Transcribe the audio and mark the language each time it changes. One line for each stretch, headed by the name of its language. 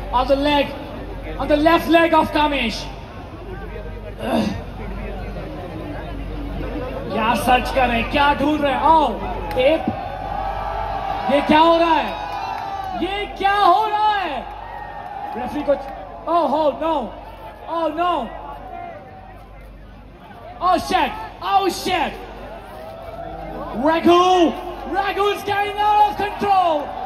English: On the leg, on the left leg of Kamesh.
Hindi: क्या search कर रहे, क्या ढूंढ रहे? आओ टेप. ये क्या हो रहा है, ये क्या हो रहा है?
English: Referee को oh no, oh no, oh shit, oh shit. Raghu is getting out of control.